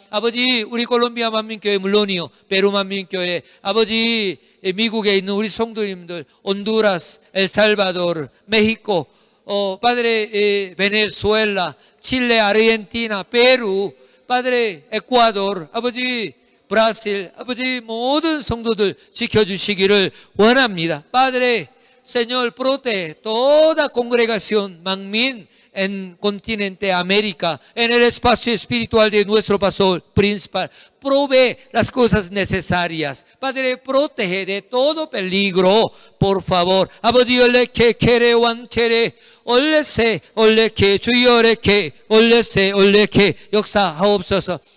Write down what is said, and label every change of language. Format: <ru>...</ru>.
<ko>아버지 우리 콜롬비아 만민교회 물론이요 페루 만민교회 아버지 미국에 있는 우리 성도님들 온두라스 엘살바도르 멕시코 Padre, Venezuela, Chile, Argentina, Perú, Padre, Ecuador, 아버지, Brasil, 아버지, 모든 성도들 지켜주시기를 원합니다.</ko> <es>Padre, Señor, protege toda congregación, Mangmin, en continente América, en el espacio espiritual de nuestro pastor principal. Provee las cosas necesarias. Padre, protege de todo peligro, por favor. 아버지, 올레, que, quere, wan, quere, 올레세, 올레케, 주여 올레케, 올레세, 올레케,</es> <ko>역사 하옵소서.</ko>